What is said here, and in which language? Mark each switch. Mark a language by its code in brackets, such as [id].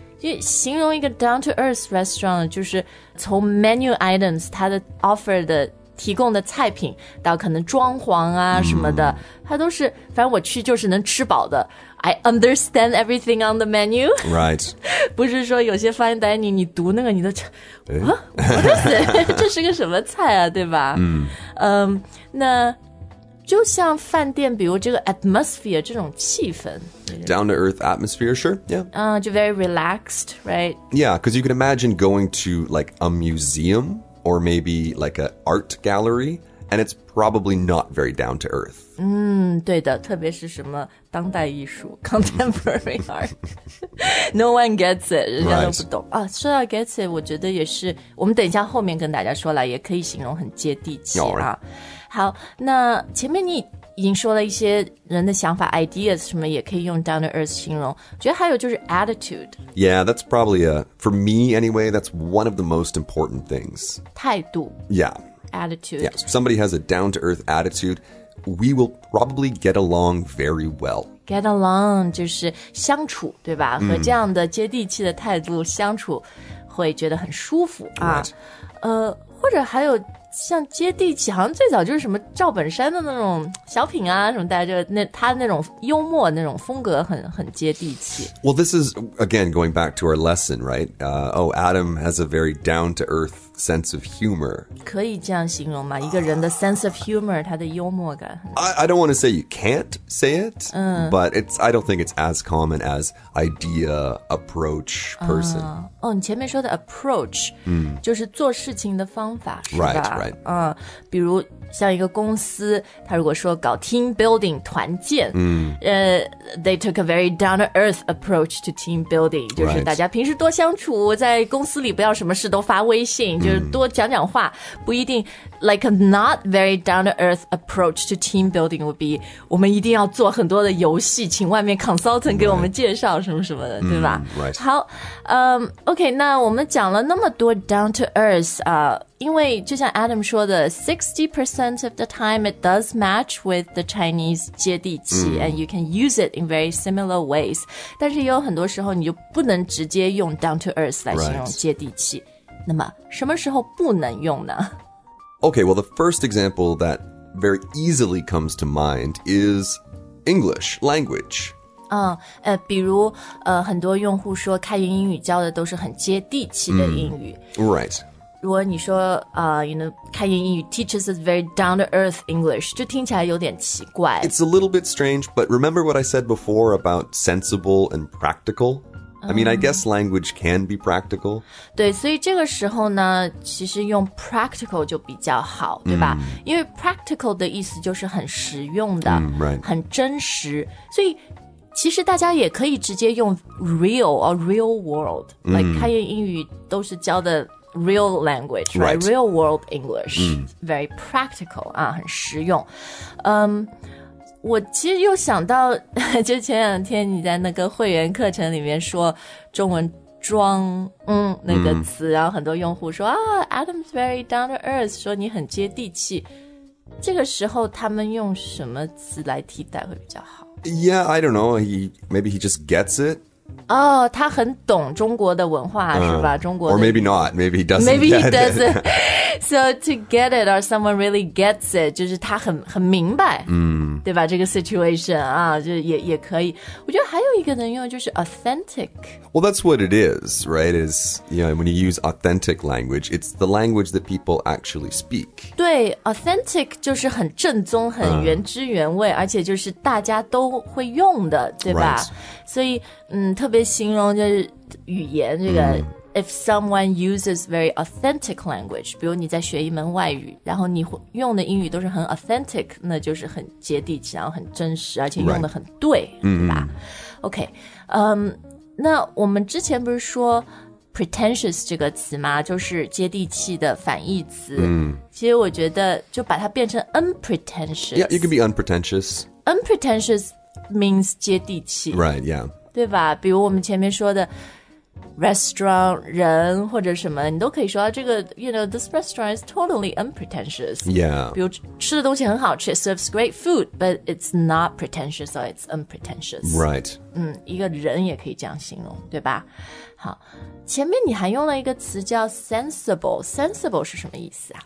[zh] 就形容一个 down-to-earth restaurant 就是从 menu items 它的 offer 的提供的菜品到可能装潢啊什么的、它都是反正我去就是能吃饱的 [en] I understand everything on the menu. Right. [zh] 不是说有些 fine dining, 你读那个你都 What? [en] What is it? [zh] 这是个什么菜啊对吧、那就像饭店比如这个 atmosphere 这种气氛 [en] Down to earth atmosphere, sure, yeah. Just very relaxed, right? Yeah, because you can imagine going to like a museum or maybe like an art gallery, and it's probably not very down to earth. [zh] 对的特别是什么当代艺术 contemporary art. [en] No one gets it, [zh] 人家都不懂。 [en] Right. [zh] 啊说到 gets it, 我觉得也是我们等一下后面跟大家说了也可以形容很接地气啊。 [en] Right. [zh] 好那前面你已经说了一些人的想法 ideas 什么也可以用 down to earth 形容。觉得还有就是 attitude. [en] Yeah, that's probably a, for me anyway, that's one of the most important things. [zh] 态度。 [en] Yeah. Attitude. Yeah, if somebody has a down-to-earth attitude, we will probably get along very well. [zh] Get along 就是相处，对吧？和这样的接地气的态度相处，会觉得很舒服啊。或者还有像接地气，好像最早就是什么赵本山的那种小品啊，什么大家就那他那种幽默那种风格很接地气。 [en] Well, this is again going back to our lesson, right? Adam has a very down-to-earth sense of humor. [zh] 可以这样形容吗？一个人的 sense of humor, 他的幽默感。 [en] I don't want to say you can't say it, but it's I don't think it's as common as idea approach person. [zh] 你前面说的 approach, 就是做事情的方法，是吧？ [en] Right, right. [zh] 比如像一个公司，他如果说搞 team building 团建， [en] they took a very down to earth approach to team building, [zh] 就是大家平时多相处，在公司里不要什么事都发微信。就是多讲讲话不一定 [en] like a not very down to earth approach to team building would be [zh] 我们一定要做很多的游戏请外面 consultant 给我们介绍什么什么的、 [en] right. [zh] 对吧、 [en] right. [zh] 好、OK 那我们讲了那么多 down to earth、因为就像 Adam 说的 [en] 60% of the time it does match with the Chinese [zh] 接地气、 [en] and you can use it in very similar ways [zh] 但是也有很多时候你就不能直接用 down to earth 来形容接地气、 [en] right. [zh] 那么什么时候不能用呢 [en] Okay, well, the first example that very easily comes to mind is English language. [zh] 比如很多用户说开源英语教的都是很接地气的英语。 [en] Right. [zh] 如果你说you know, 开源英语 [en] teaches us very down-to-earth English, [zh] 就听起来有点奇怪。 [en] It's a little bit strange, but remember what I said before about sensible and practical? I mean, I guess language can be practical. [zh] 对，所以这个时候呢，其实用 practical 就比较好，对吧？因为 practical 的意思就是很实用的， [en] right. [zh] 很真实。所以其实大家也可以直接用 real or real world. Like 开源英语都是教的 [en] real language, right? Real world English. Very practical, [zh] 啊，很实用。我其实又想到就前两天你在那个会员课程里面说中文装那个词、然后很多用户说啊 [en] Adam's very down to earth [zh] 说你很接地气这个时候他们用什么词来替代会比较好 [en] Yeah, I don't know. Maybe he just gets it. [zh] 他很懂中国的文化是吧中国的 [en] Or maybe not. Maybe he doesn't maybe get he doesn't. it. So to get it or someone really gets it, [zh] 就是他很明白、对吧这个 situation 啊就也可以。我觉得还有一个能用就是 authentic. [en] Well, that's what it is, right? Is, you know, when you use authentic language, it's the language that people actually speak. [zh] 对 authentic 就是很正宗很原汁原味、而且就是大家都会用的对吧、 [en] right. [zh] 所以特别形容就是语言这个。 [en] If someone uses very authentic language, [zh] 比如你在学一门外语然后你用的英语都是很 authentic, 那就是很接地气然后很真实而且用的很对、 [en] right. [zh] 对吧、OK, 那我们之前不是说 pretentious 这个词吗就是接地气的反义词、其实我觉得就把它变成 unpretentious. [en] Yeah, you can be unpretentious. Unpretentious means 接地气。 Right, yeah. [zh] 对吧比如我们前面说的restaurant, 人或者什么你都可以说、这个 you know, [en] this restaurant is totally unpretentious. Yeah. [zh] 比如吃的东西很好吃 [en] it serves great food, but it's not pretentious or it's unpretentious. Right. [zh] 一个人也可以这样形容对吧好前面你还用了一个词叫 sensible. Sensible 是什么意思啊